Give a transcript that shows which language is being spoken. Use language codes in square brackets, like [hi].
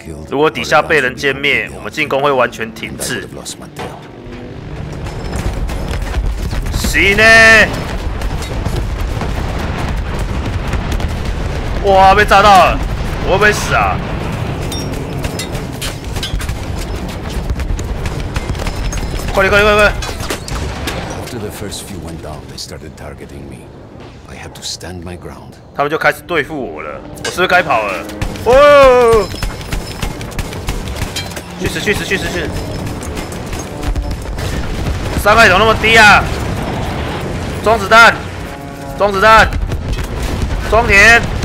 [zh] 如果底下被人歼灭，我们进攻会完全停滞。是呢，哇，被炸到了，我会不会死啊？快点，快点，快点！ [en] After the first few went down, they started targeting me. I have to stand my ground. [zh] 他们就开始对付我了，我是不是该跑了？哦！去死去死去死去！伤害怎么那么低啊？装子弹，装子弹，装填。